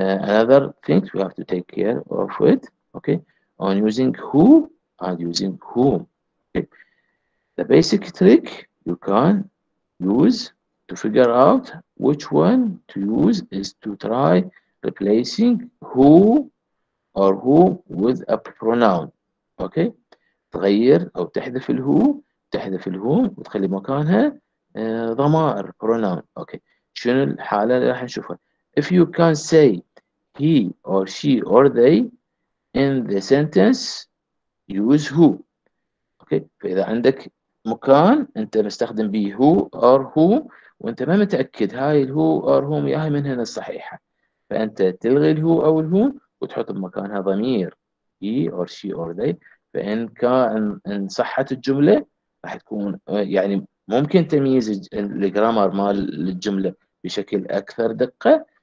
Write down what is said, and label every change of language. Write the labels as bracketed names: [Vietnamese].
[English] Another thing we have to take care of it, okay, on using who and using whom. Okay. The basic trick you can use to figure out which one to use is to try replacing who or whom with a pronoun, okay. [Arabic] تغير أو تحذف الهو تحذف الهوم وتخلي مكانها ضمائر pronoun. [English] Okay. [Arabic] شنو الحالة اللي راح نشوفها؟ [English] If you can say he or she or they in the sentence, use who. Okay. [Arabic] فإذا عندك مكان أنت مستخدم به [English] who or who [Arabic] وأنت ما متأكد هاي الهو or whom يا هي من هنا الصحيحة، فأنت تلغي الهو أو الهوم وتحط بمكانها ضمير [English] he or she or they. [Arabic] فإن كان إن صحت الجملة راح تكون يعني ممكن تمييز الجرامر مال الجملة بشكل أكثر دقة.